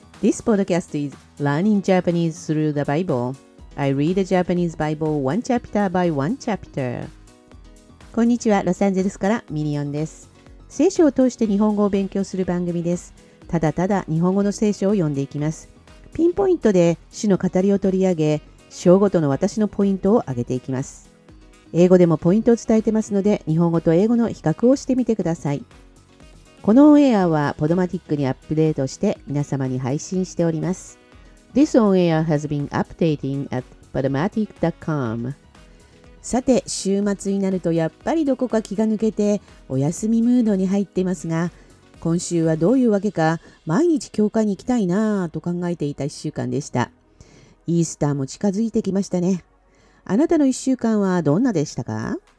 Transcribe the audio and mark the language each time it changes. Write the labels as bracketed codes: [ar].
[en] This podcast is learning Japanese through the Bible. I read the Japanese Bible one chapter by one chapter. [ja] こんにちは、ロサンゼルスからミリオンです。聖書を通して日本語を勉強する番組です。ただただ日本語の聖書を読んでいきます。ピンポイントで主の語りを取り上げ、章ごとの私のポイントを挙げていきます。英語でもポイントを伝えてますので、日本語と英語の比較をしてみてください。このオンエアはポドマティックにアップデートして皆様に配信しております。 [en] This on air has been updating at podomatic.com。 [ja] さて、週末になるとやっぱりどこか気が抜けてお休みムードに入ってますが、今週はどういうわけか毎日教会に行きたいなぁと考えていた1週間でした。イースターも近づいてきましたね。あなたの1週間はどんなでしたか？